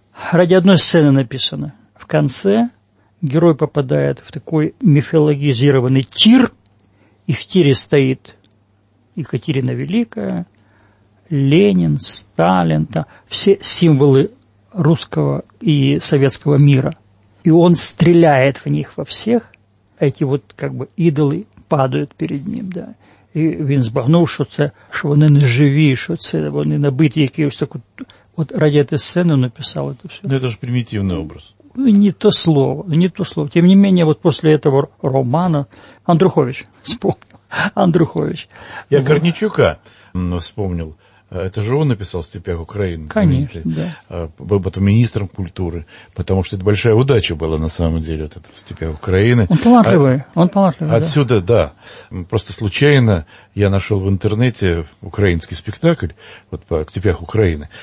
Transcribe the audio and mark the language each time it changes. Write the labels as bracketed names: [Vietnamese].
[Russian] Ради одной сцены написано. В конце герой попадает в такой мифологизированный тир, и в тире стоит Екатерина Великая, Ленин, Сталин, там, все символы русского и советского мира. И он стреляет в них во всех, эти вот как бы идолы падают перед ним, да. [Ukrainian] И він збагнув, що це, що вони не живі, що це вони набиті якісь таку. От ради цієї сцени написав це все. Ну, це ж примітивний образ. [Russian] Не то слово, не то слово. [Ukrainian] Тим не менше, от після цього романа Андрухович вспомнив. Андрухович. Я Корнічука вспомнив. [Russian] Это же он написал в «Степях Украины», конечно, был потом министром культуры, потому что это большая удача была на самом деле, вот это в «Степях Украины». Он талантливый, Отсюда, да. Просто случайно я нашел в интернете украинский спектакль вот по «Степях Украины».